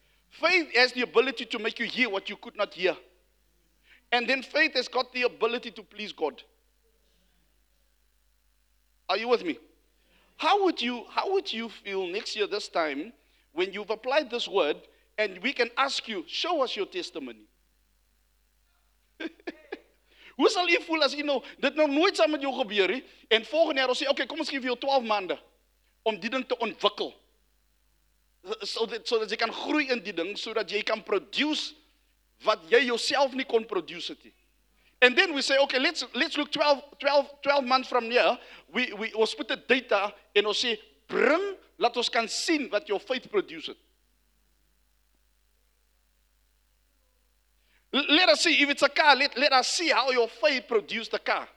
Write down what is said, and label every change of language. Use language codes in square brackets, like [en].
[en] Faith has the ability to make you hear what you could not hear. And then faith has got the ability to please God. Are you with me? How would you feel next year this time when you've applied this word and we can ask you, show us your testimony? [af] Hoe sal jy voel as jy nou dit nou nooit saam met jou gebeur nie en volgende jaar ons sê okay, kom ons gee vir jou 12 maande om die ding te ontwikkel. So dat jy kan groei in die ding sodat jy kan produce wat jy jouself nie kon produce het nie. [en] And then we say okay, let's look 12 months from here. We put the data [af] en ons sê bring laat ons kan sien wat jou faith produce het. [en] Let us see if it's a car. Let us see how your faith produced the car.